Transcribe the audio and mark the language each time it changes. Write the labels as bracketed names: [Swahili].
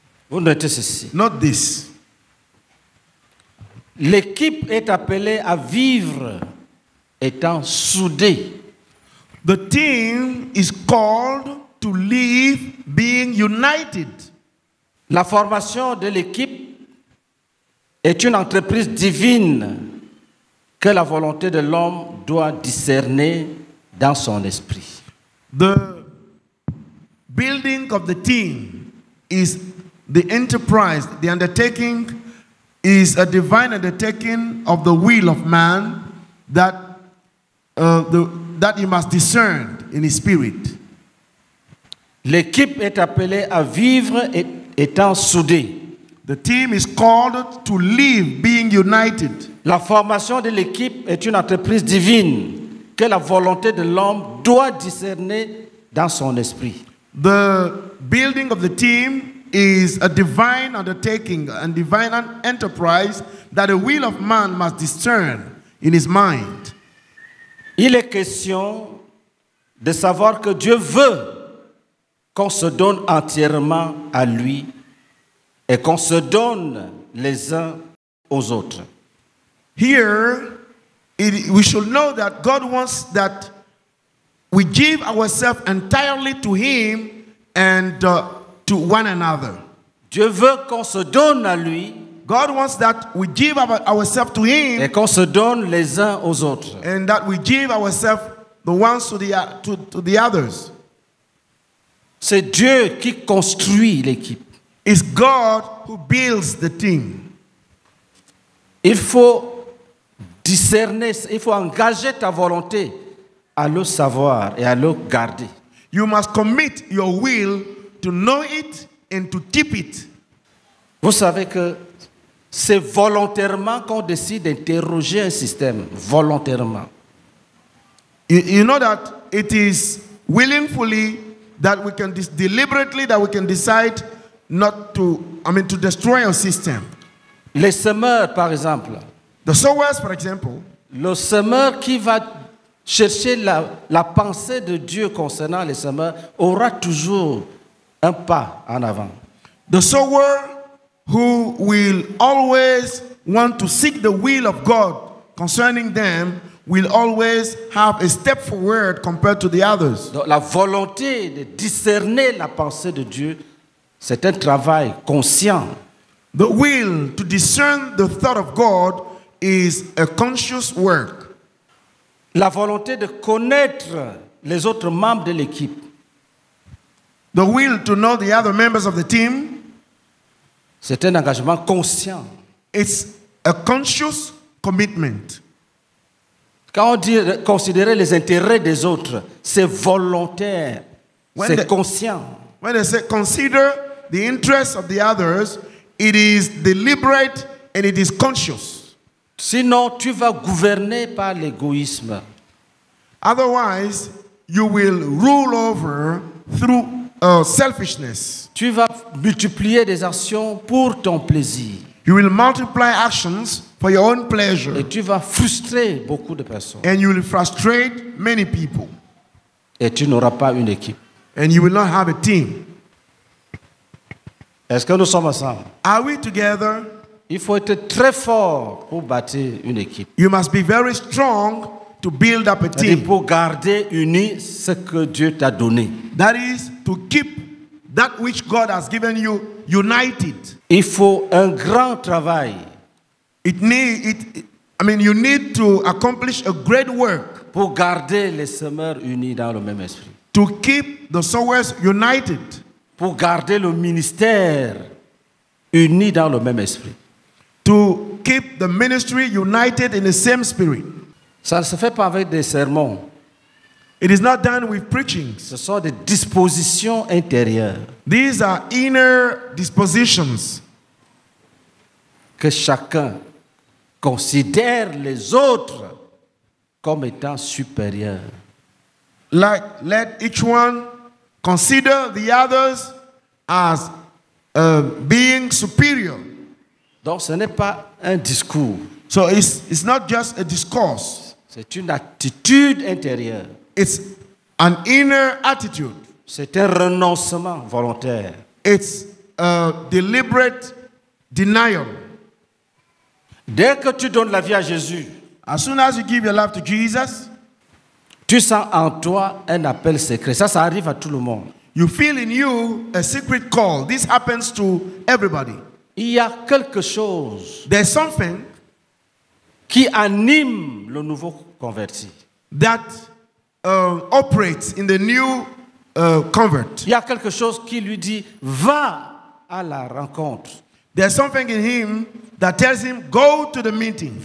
[French] Vous notez ceci. [English] Not this. [French] L'équipe est appelée à vivre étant soudée. [English] The team is called to live being united. [French] La formation de l'équipe est une entreprise divine que la volonté de l'homme doit discerner dans son esprit. [English] The building of the team is the enterprise, the undertaking is a divine undertaking of the will of man that he must discern in his spirit. [French] L'équipe est appelée à vivre étant soudée. [English] The team is called to live being united. [French] La formation de l'équipe est une entreprise divine que la volonté de l'homme doit discerner dans son esprit. [English] The building of the team is a divine undertaking and divine enterprise that the will of man must discern in his mind. [French] Il est question de savoir que Dieu veut qu'on se donne entièrement à lui et qu'on se donne les uns aux autres. [English] Here, we should know that God wants that we give ourselves entirely to him and to one another. [French] Dieu veut qu'on se donne à lui. [English] God wants that we give ourselves to him. [French] Et qu'on se donne les uns aux autres. [English] And that we give ourselves the ones to the others. [French] C'est Dieu qui construit l'équipe. [English] It's God who builds the team. [French] Il faut discerner, il faut engager ta volonté à le savoir et à le garder. [English] You must commit your will to know it and to keep it. [French] Vous savez que c'est volontairement qu'on décide d'interroger un système, volontairement. [English] You know that it is willingly that we can deliberately that we can decide not to, to destroy our system. [French] Les semeurs, par exemple. [English] The sowers, for example. [French] Le semeur qui va chercher la pensée de Dieu concernant les semeurs aura toujours un pas en avant. [English] The sower who will always want to seek the will of God concerning them will always have a step forward compared to the others. [French] Donc, la volonté de discerner la pensée de Dieu, c'est un travail conscient. [English] The will to discern the thought of God is a conscious work. [French] La volonté de connaître les autres membres de l'équipe. [English] The will to know the other members of the team. [French] C'est un engagement conscient. [English] It's a conscious commitment. [French] Quand on dit considérer les intérêts des autres, c'est volontaire. C'est conscient. [English] When they say consider the interests of the others, it is deliberate and it is conscious. [French] Sinon, tu vas gouverner par l'égoïsme. [English] Otherwise, you will rule over through selfishness. [French] Tu vas multiplier des actions pour ton plaisir. [English] You will multiply actions for your own pleasure. [French] Et tu vas frustrer beaucoup de personnes. [English] And you will frustrate many people. [French] Et tu n'auras pas une équipe. [English] And you will not have a team. [French] Est-ce que nous sommes ensemble? [English] Are we together? [French] Il faut être très fort pour bâtir une équipe. [English] You must be very strong to build up a team. [French] Et pour garder uni ce que Dieu t'a donné. [English] That is to keep that which God has given you united. [French] Il faut un grand travail. [English] You need to accomplish a great work [French] pour garder les semeurs unis dans le même esprit. [English] To keep the sowers united. [French] Pour garder le ministère uni dans le même esprit. [English] To keep the ministry united in the same spirit. [French] Ça ne se fait pas avec des sermons. [English] It is not done with preachings. [French] Ce sont des dispositions intérieures. [English] These are inner dispositions. [French] Que chacun considère les autres comme étant supérieurs. [English] Like, let each one consider the others as being superior. [French] Donc ce n'est pas un discours. [English] So it's not just a discourse. [French] C'est une attitude intérieure. [English] It's an inner attitude. [French] C'est un renoncement volontaire. [English] It's a deliberate denial. [French] Dès que tu donnes la vie à Jésus, [English] as soon as you give your life to Jesus, [French] tu sens en toi un appel secret. Ça arrive à tout le monde. [English] You feel in you a secret call. This happens to everybody. [French] Il y a quelque chose. [English] There's something [French] qui anime le nouveau converti. [English] That operates in the new convert. [French] Il y a quelque chose qui lui dit va à la rencontre. [English] There's something in him that tells him go to the meeting.